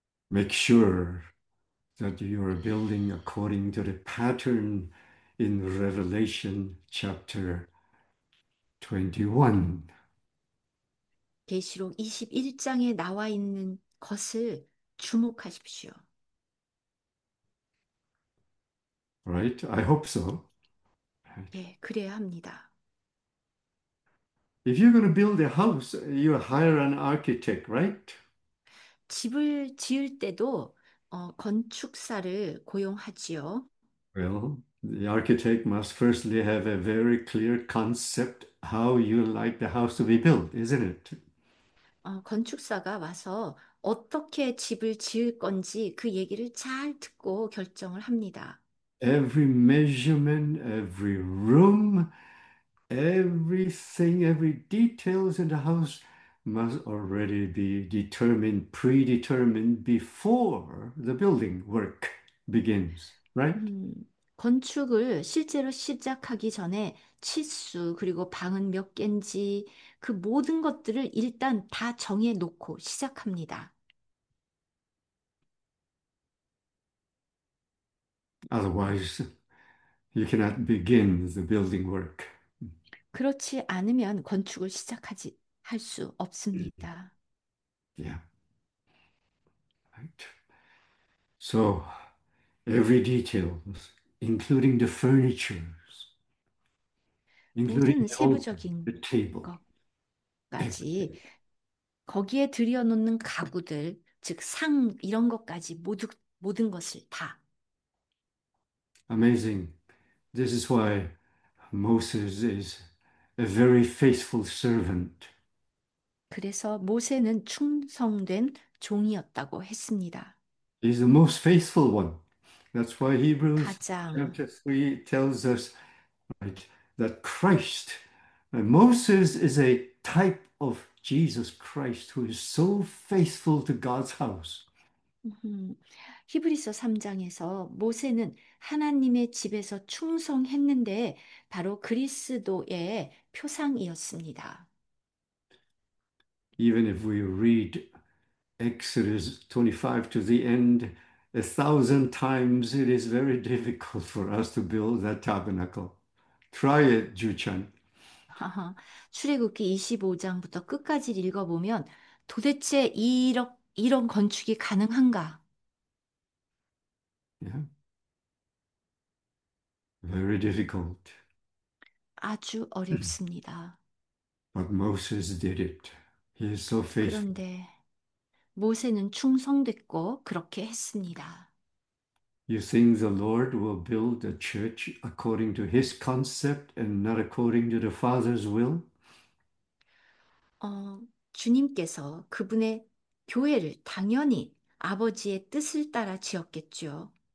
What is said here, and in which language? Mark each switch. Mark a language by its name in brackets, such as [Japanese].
[English] Make sure that you are building according to the pattern in Revelation chapter 21. [Korean] 계시록 21장에 나와 있는 것을 주목하십시오. [English] Right? I hope so. [Korean] 예, 그래야 합니다. [English] If you're going to build a house, you hire an architect, right? [Korean] 집을 지을 때도 건축사를 고용하지요. [English] Well, the architect must firstly have a very clear concept how you like the house to be built, isn't it? [Korean] 건축사가 와서 어떻게 집을 지을 건지 그 얘기를 잘 듣고 결정을 합니다. [English] Every measurement, every room, everything, every details in the house must already be determined, predetermined before the building work begins, right? [Korean] 건축을 실제로 시작하기 전에 치수, 그리고 방은 몇 개인지 그 모든 것들을 일단 다 정해놓고 시작합니다. [English] Otherwise, you cannot begin the building work. [Korean] 그렇지 않으면 건축을 시작하지 할수 없습니다. [English] So, every detail, including the furniture, including [Korean] 모든 [English] the altar, [Korean] 세부적인 [English] the table, [Korean] 것까지 [English] everything. [Korean] 거기에 들여놓는 가구들, 즉상 이런 것까지 모두 모든 것을 다. [English] Amazing. This is why Moses is a very faithful servant. [Korean] 그래서 모세는 충성된 종이었다고 했습니다. [English] He's the most faithful one. That's why Hebrews [Korean] 가장 [English] chapter 3 tells us, right, that Christ, Moses is a type of Jesus Christ who is so faithful to God's house. [Korean] 히브리서 3장에서 모세는 하나님의 집에서 충성했는데 바로 그리스도의 표상이었습니다. [English] Even if we read Exodus 25 to the end 1,000 times, it is very difficult for us to build that tabernacle. Try it, Juchan. [Korean] 출애굽기 25장부터 끝까지 읽어보면 도대체 이런 건축이 가능한가? [English] Very difficult. [Korean] 아주 어렵습니다. [English] But Moses did it. He is so faithful. [Korean] 그런데 모세는 충성됐고 그렇게 했습니다. [English] You think the Lord will build a church according to his concept and not according to the Father's will? [Korean] 주님께서 그분의 교회를 당연히 아버지의 뜻을 따라 지었겠죠.